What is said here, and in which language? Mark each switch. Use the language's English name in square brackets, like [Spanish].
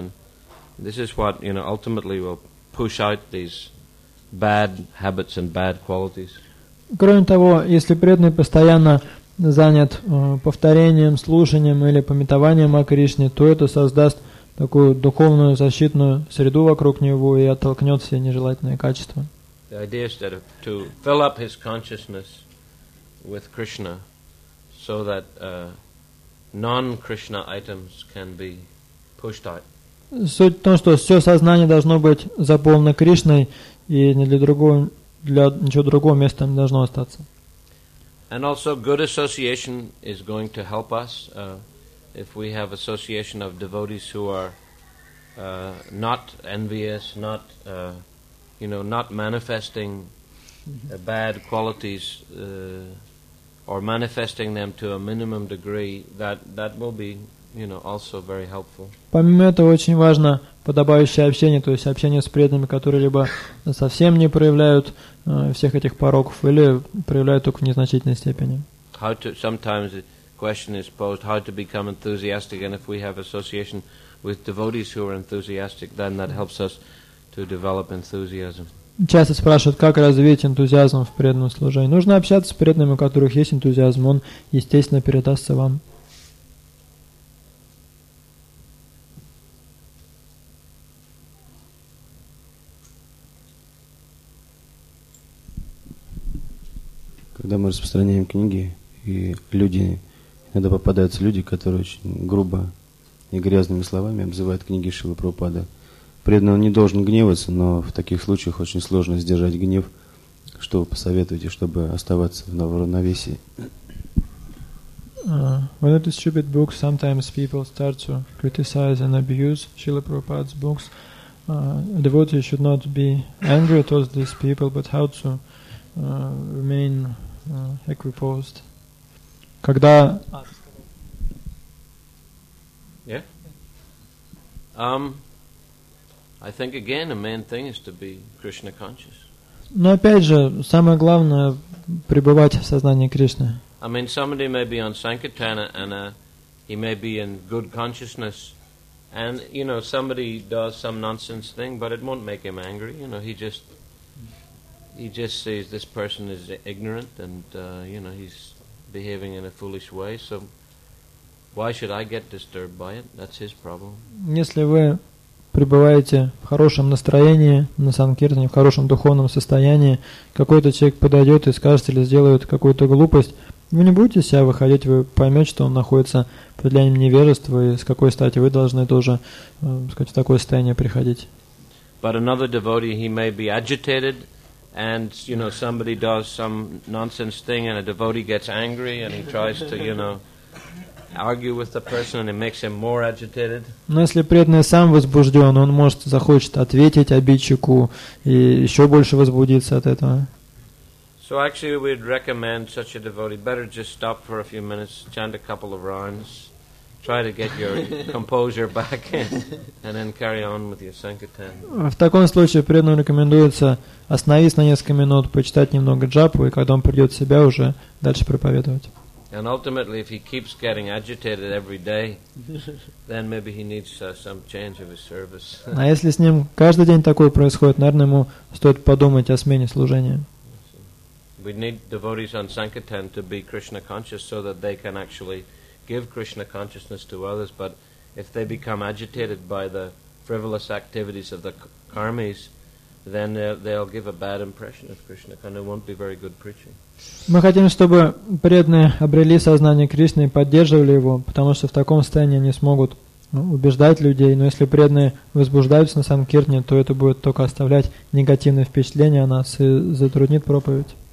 [English] And this is what, you know, ultimately will push out these bad habits and bad qualities. [Russian] Кроме того, если преданный постоянно занят повторением, слушанием или памятованием о Кришне, то это создаст такую духовную защитную среду вокруг него и оттолкнет все нежелательные качества. [English] The idea is that to fill up his consciousness with Krishna so that non-Krishna items can be pushed out. [Russian] Суть в том, что все сознание должно быть заполнено Кришной, и для ничего другого места не должно остаться. [English] And also good association is going to help us if we have association of devotees who are not envious, not you know, not manifesting bad qualities or manifesting them to a minimum degree, that will be, you know, also very helpful. [Russian] Помимо этого, очень важно подобающее общение, то есть общение с преданными, которые либо совсем не проявляют всех этих пороков, или проявляют только в незначительной степени. [English] How to, sometimes the question is posed, how to become enthusiastic, and if we have association with devotees who are enthusiastic, then that helps us to develop enthusiasm. [Russian] Часто спрашивают, как развить энтузиазм в преданном служении. Нужно общаться с преданными, у которых есть энтузиазм, он, естественно, передастся вам. Когда мы распространяем книги, и люди, иногда попадаются люди, которые очень грубо и грязными словами обзывают книги Шрилы Прабхупады. Преданный, он не должен гневаться, но в таких случаях очень сложно сдержать гнев. Что вы посоветуете, чтобы оставаться в равновесии? [English] When it is stupid books, sometimes people start to criticize and abuse Srila Prabhupada's books. Devotee should not be angry at all these people, but how to remain equipoised. [Russian] Когда... [English] Yeah? I think again the main thing is to be Krishna conscious. [Russian] Но опять же, самое главное пребывать в сознании Кришны. [English] I mean, somebody may be on Sankirtana and he may be in good consciousness and, you know, somebody does some nonsense thing, but it won't make him angry, you know, he just sees this person is ignorant and, you know, he's behaving in a foolish way, so why should I get disturbed by it? That's his problem. [Russian] Если вы пребываете в хорошем настроении на санкиртане, в хорошем духовном состоянии, какой-то человек подойдет и скажет или сделает какую-то глупость, вы не будете себя выходить, вы поймете, что он находится под влиянием невежества, и с какой стати вы должны тоже, сказать, в такое состояние приходить. [English] But another devotee, he may be agitated, and, you know, somebody does some nonsense thing, and a devotee gets angry, and he tries to, you know, argue with the person, and it makes him more agitated. [Russian] Но если преданный сам возбужден, он может захочет ответить обидчику и еще больше возбудиться от этого. [English] So actually, we'd recommend such a devotee better just stop for a few minutes, chant a couple of rounds, try to get your composure back and then carry on with your sankirtan. [Russian] В таком случае преданному рекомендуется остановиться на несколько минут, почитать немного джапу, и когда он придет в себя, уже дальше проповедовать. [English] And ultimately, if he keeps getting agitated every day, then maybe he needs some change of his service. [Russian] А если с ним каждый день такое происходит, наверное, ему стоит подумать о смене служения. [English] We need devotees on sankirtan to be Krishna conscious so that they can actually give Krishna consciousness to others. But if they become agitated by the frivolous activities of the karmis, then they'll give a bad impression of Krishna, and it won't be very good preaching. [Russian] Мы хотим, чтобы преданные обрели сознание Кришны и поддерживали его, потому что в таком состоянии они смогут убеждать людей. Но если преданные возбуждаются на санкиртне, то это будет только оставлять негативное впечатление о нас и затруднит проповедь.